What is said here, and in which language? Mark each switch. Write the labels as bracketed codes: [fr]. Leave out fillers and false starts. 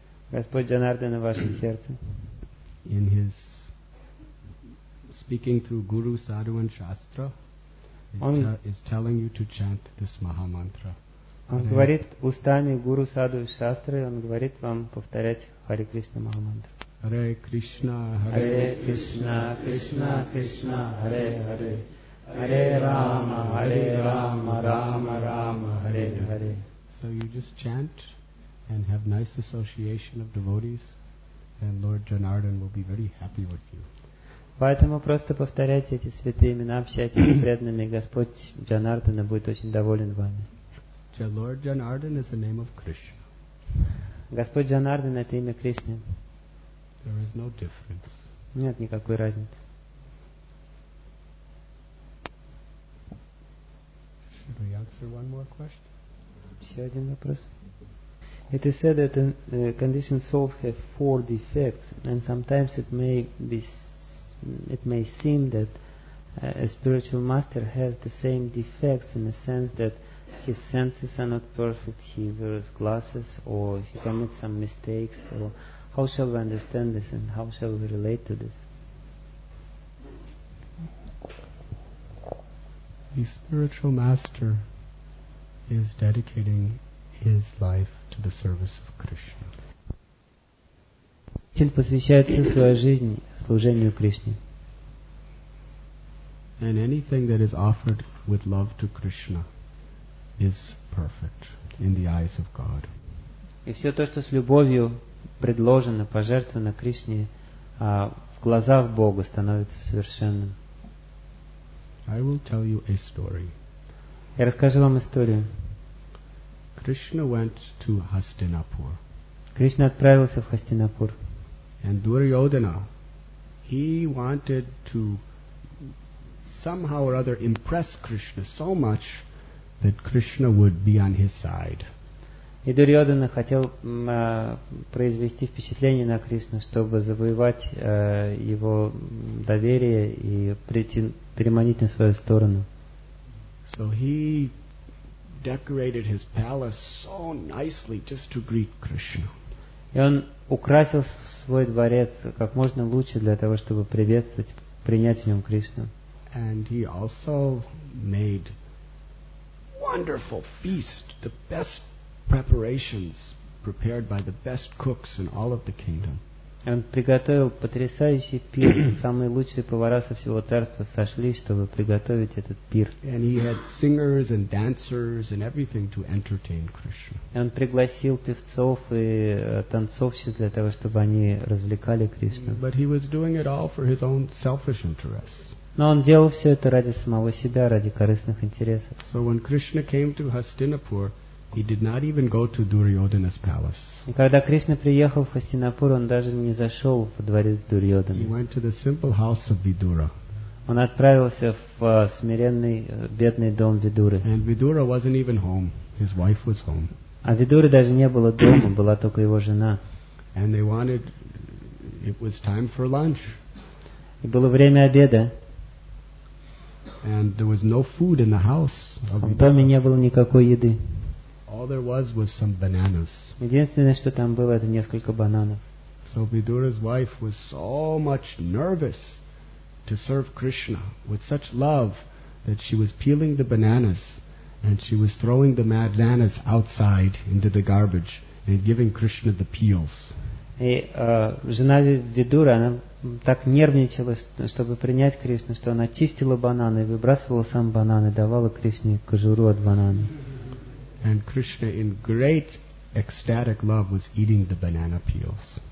[ru] Господь Джанардан в вашем сердце. [en] In his speaking through Guru, Sadhu and Shastra, is telling you to chant this Maha Mantra. [ru] Он говорит устами Гуру, Саду и Шастры, он говорит вам повторять Хари Кришна Маха Мантру. [sa] Hare Krishna, Hare Krishna, Krishna Krishna, Hare Hare. Hare Rama, Hare Rama, Rama Rama, Hare Hare. [en] So you just chant and have nice association of devotees, and Lord Janardhan will be very happy with you. [ru] Поэтому просто повторяйте эти святые имена, общайтесь с преданными, Господь Джанардан будет очень доволен вами. [en] Lord Janardhan is the name of Krishna. [ru] Господь Джанардан — это имя Кришны. [en] There is no difference. [ru] Нет никакой разницы. [en] Should we answer one more question? [ru] Еще один вопрос. [en] It is said that conditioned souls have four defects, and sometimes it may seem that a spiritual master has the same defects in the sense that his senses are not perfect, he wears glasses, or he commits some mistakes. Or how shall we understand this, and how shall we relate to this? The spiritual master is dedicating his life to the service of Krishna. [ru] Он посвящает всю свою жизнь служению Кришне. [en] And anything that is offered with love to Krishna is perfect in the eyes of God. [ru] И все то, что с любовью предложено, пожертвовано Кришне, в глазах Бога становится совершенным. [en] I will tell you a story. [ru] Я расскажу вам историю. [en] Krishna went to Hastinapur. [ru] Кришна отправился в Хастинапур. [en] And Duryodhana, he wanted to somehow or other impress Krishna so much that Krishna would be on his side. [ru] И Дурьодхана хотел произвести впечатление на Кришну, чтобы завоевать его доверие и переманить на свою сторону. [en] So he decorated his palace so nicely just to greet Krishna. [ru] И он украсил свой дворец как можно лучше для того, чтобы приветствовать, принять в нем Кришну. [en] And he also made wonderful feast, the best preparations prepared by the best cooks in all of the kingdom. [ru] Он приготовил потрясающий пир, самые лучшие повара со всего царства сошлись, чтобы приготовить этот пир. [en] And he had singers and dancers and everything to entertain Krishna. [ru] И он пригласил певцов и танцовщиц для того, чтобы они развлекали Кришну. [en] But he was doing it all for his own selfish interests. [ru] Но он делал все это ради самого себя, ради корыстных интересов. [en] So when Krishna came to Hastinapur, he did not even go to Duryodhana's palace. [ru] И когда Кришна приехал в Хастинапур, он даже не зашел в дворец Дурьодхана. [en] He went to the simple house of Vidura. [ru] Он отправился в смиренный, бедный дом Видуры. [en] And Vidura wasn't even home. His wife was home. [ru] А Видуры даже не было дома, была только его жена. [en] And they wanted, it was time for lunch. [ru] И было время обеда. [en] And there was no food in the house. [ru] В доме не было никакой еды. [en] All there was some bananas. [ru] Единственное, что там было, это несколько бананов. [en] So Vidura's wife was so much nervous to serve Krishna with such love that she was peeling the bananas and she was throwing the bananas outside into the garbage and giving Krishna the peels. [ru] И жена Видуры, она так нервничала, чтобы принять Кришну, что она чистила бананы, выбрасывала сам банан и давала Кришне кожуру от банана. [en] And Krishna, in great ecstatic love, was eating the banana peels.